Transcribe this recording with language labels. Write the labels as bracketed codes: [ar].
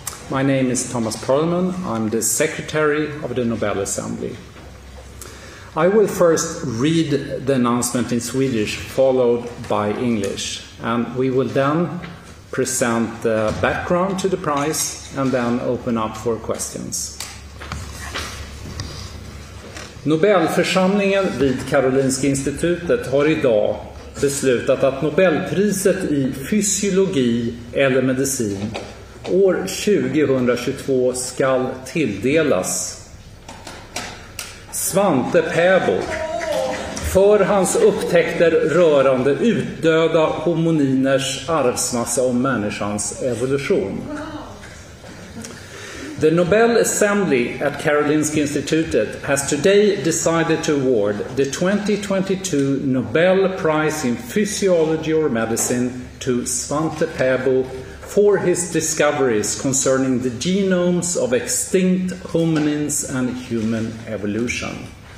[en] My name is Thomas Perlman. I'm the Secretary of the Nobel Assembly. I will first read the announcement in Swedish, followed by English. And we will then present the background to the prize and then open up for questions. [sv] Nobelförsamlingen vid Karolinska institutet har idag beslutat att Nobelpriset i fysiologi eller medicin år 2022 ska tilldelas Svante Pääbo för hans upptäckter rörande utdöda homininers arvsmassa och människans evolution. [en] The Nobel Assembly at Karolinska Institutet has today decided to award the 2022 Nobel Prize in Physiology or Medicine to Svante Pääbo for his discoveries concerning the genomes of extinct hominins and human evolution.